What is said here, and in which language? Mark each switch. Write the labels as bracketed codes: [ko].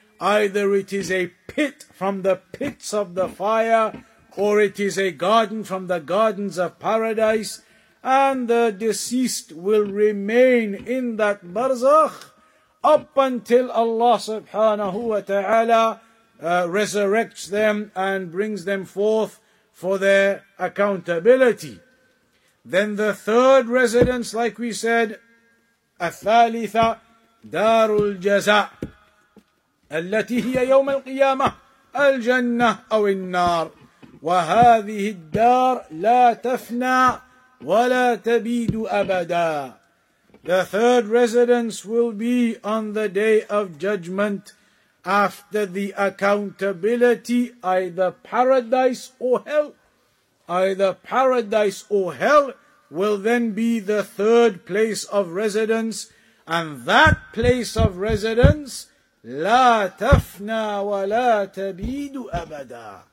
[en] Either it is a pit from the pits of the fire, or it is a garden from the gardens of paradise, and the deceased will remain in that barzakh up until Allah subhanahu wa ta'ala resurrects them and brings them forth for their accountability. Then the third residence, like we said, [ar] الثالثة دار الجزاء التي هي يوم القيامة الجنة أو النار وهذه الدار لا تفنى ولا تبيد أبدا. [en] The third residence will be on the day of judgment after the accountability, either paradise or hell. Either paradise or hell will then be the third place of residence, and that place of residence, [ar] لا تفنى ولا تبيد أبدا.